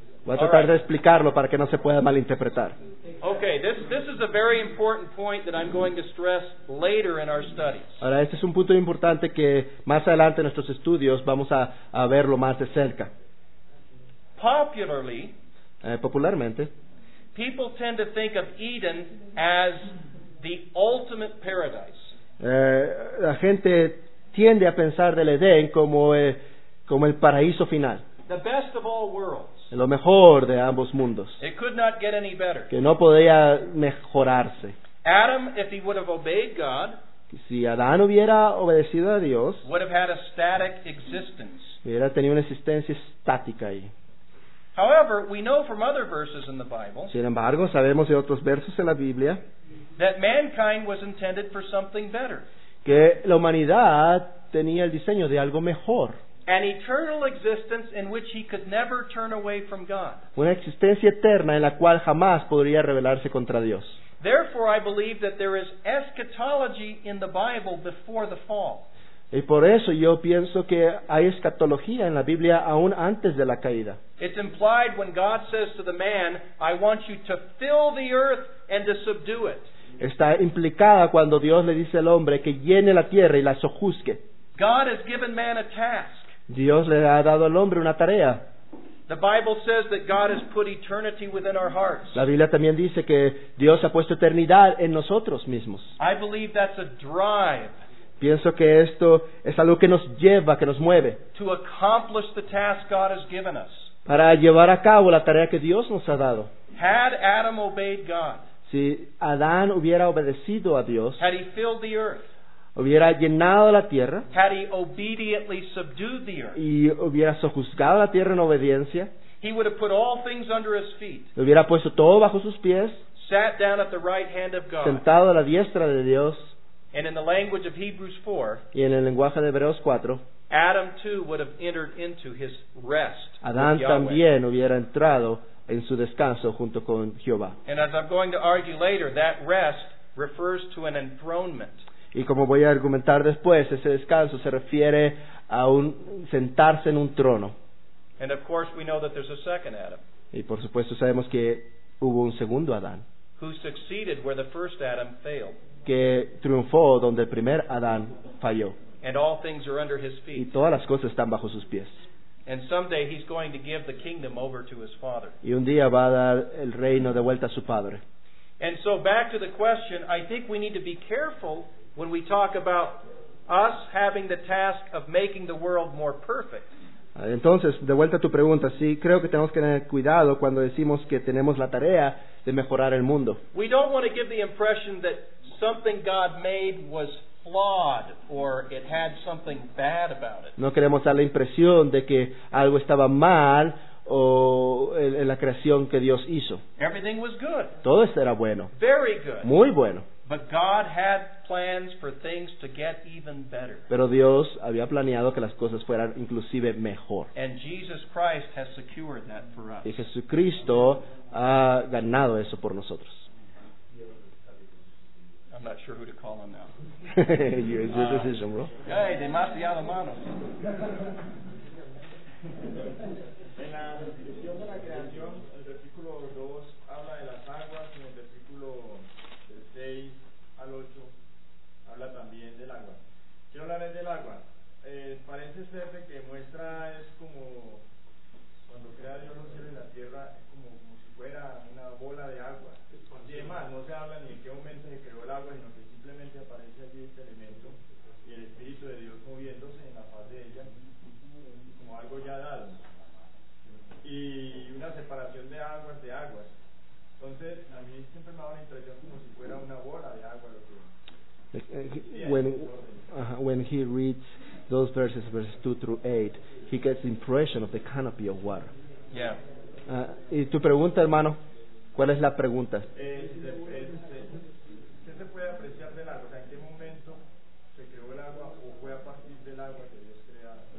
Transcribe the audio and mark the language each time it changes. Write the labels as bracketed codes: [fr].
[es] Voy a tratar de explicarlo para que no se pueda malinterpretar. [en] Okay, this is a very important point that I'm going to stress later in our studies. [es] Ahora, este es un punto importante que más adelante en nuestros estudios vamos a verlo más de cerca. [en] Popularly, [es] popularmente, [en] people tend to think of Eden as the ultimate paradise. [es] La gente tiende a pensar del Edén como el paraíso final. [en] The best of all worlds. [es] Lo mejor de ambos mundos. [en] It could not get any better. [es] Que no podía mejorarse. [en] Adam, if he would have obeyed God, [es] si Adán hubiera obedecido a Dios, [en] would have had a static existence. [es] Hubiera tenido una existencia estática ahí. [en] However, we know from other verses in the Bible. [es] Sin embargo, sabemos de otros versos en la Biblia. [en] that mankind was intended for something better. [es] Que la humanidad tenía el diseño de algo mejor. [en] An eternal existence in which he could never turn away from God. [es] Una existencia eterna en la cual jamás podría rebelarse contra Dios. [en] Therefore, I believe that there is eschatology in the Bible before the fall. [es] Y por eso yo pienso que hay escatología en la Biblia aún antes de la caída. [en] It's implied when God says to the man, I want you to fill the earth and to subdue it. [es] Está implicada cuando Dios le dice al hombre que llene la tierra y la sojuzgue. [en] God has given man a task. [es] Dios le ha dado al hombre una tarea. [en] The Bible says that God has put eternity within our hearts. [es] La Biblia también dice que Dios ha puesto eternidad en nosotros mismos. [en] I believe that's a drive. [es] Pienso que esto es algo que nos lleva, que nos mueve. [en] To accomplish the task God has given us. [es] Para llevar a cabo la tarea que Dios nos ha dado. [en] Had Adam obeyed God? [es] Si Adán hubiera obedecido a Dios. [en] Had he filled the earth? [es] Hubiera llenado la tierra. [en] Had he obediently subdued the earth? [es] Y hubiera sojuzgado la tierra en obediencia. [en] He would have put all things under his feet. [es] Hubiera puesto todo bajo sus pies. [en] Sat down at the right hand of God. [es] Sentado a la diestra de Dios. [en] And in the language of Hebrews 4, [es] y en el lenguaje de Hebreos 4, [en] Adam too would have entered into his rest. [es] Adán también hubiera entrado en su descanso junto con Jehová. [en] And as I'm going to argue later, that rest refers to an enthronement. [es] Y como voy a argumentar después, ese descanso se refiere a un sentarse en un trono. [en] And of course we know that there's a second Adam. [es] Y por supuesto sabemos que hubo un segundo Adán. [en] Who succeeded where the first Adam failed. [es] Que triunfó donde el primer Adán falló. [en] And all things are under his feet. [es] Y todas las cosas están bajo sus pies. [en] And someday he's going to give the kingdom over to his father. [es] Y un día va a dar el reino de vuelta a su padre. [en] And so back to the question, I think we need to be careful when we talk about us having the task of making the world more perfect. [es] Entonces, de vuelta a tu pregunta, sí, creo que tenemos que tener cuidado cuando decimos que tenemos la tarea de mejorar el mundo. [en] We don't want to give the impression that something God made was flawed or it had something bad about it. [es] No queremos dar la impresión de que algo estaba mal o en la creación que Dios hizo. [en] Everything was good. [es] Todo era bueno. [en] Very good. [es] Muy bueno. [en] But God had plans for things to get even better. [es] Pero Dios había planeado que las cosas fueran inclusive mejor. [en] And Jesus Christ has secured that for us. [es] Y Jesucristo ha ganado eso por nosotros. [en] I'm not sure who to call on now. It's your decision, bro. [es] Hey, demasiado manos. En la descripción de la creación, el versículo 2 habla de las aguas, y en el versículo 6 al 8 habla también del agua. Quiero hablarles del agua. Parece ser que muestra, es como cuando crea Dios los cielos y la tierra, es como si fuera una bola de agua. Y además, no se habla ni en qué momento se creó el agua, sino que simplemente aparece allí este elemento y el Espíritu de Dios moviéndose en la faz de ella, como algo ya dado. Y una separación de aguas, de aguas. Entonces, a mí siempre me da la impresión como si fuera una bola de agua. Lo que... [en] When he reads those verses, verses 2 through 8, he gets the impression of the canopy of water. Yeah. [es] Y tu pregunta, hermano, ¿cuál es la pregunta? ¿Qué se puede apreciar del agua? O sea, ¿en qué momento se creó el agua o fue a partir del agua que Dios creó?